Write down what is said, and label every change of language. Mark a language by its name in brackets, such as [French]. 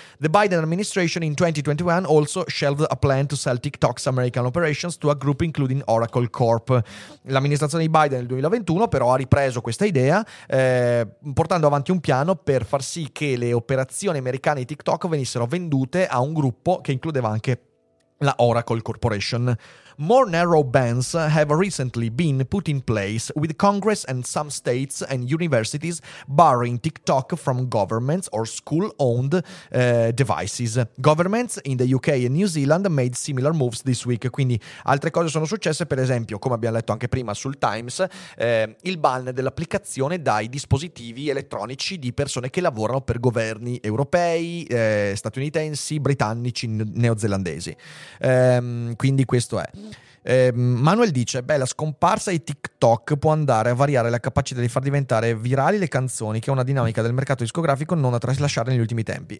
[English] The Biden administration in 2021 also shelved a plan to sell TikTok's American operations to a group including Oracle Corp. [Italian] L'amministrazione di Biden nel 2021 però ha ripreso questa idea, portando avanti un piano per far sì che le operazioni americane di TikTok venissero vendute a un gruppo che includeva anche la Oracle Corporation. [English] More narrow bans have recently been put in place, with Congress and some states and universities barring TikTok from governments or school-owned devices. Governments in the UK and New Zealand made similar moves this week. [Italian] Quindi altre cose sono successe, per esempio, come abbiamo letto anche prima sul Times, il ban dell'applicazione dai dispositivi elettronici di persone che lavorano per governi europei, statunitensi, britannici, neozelandesi. Quindi questo è. Manuel dice: beh, la scomparsa di TikTok può andare a variare la capacità di far diventare virali le canzoni, che è una dinamica del mercato discografico non da traslasciare negli ultimi tempi.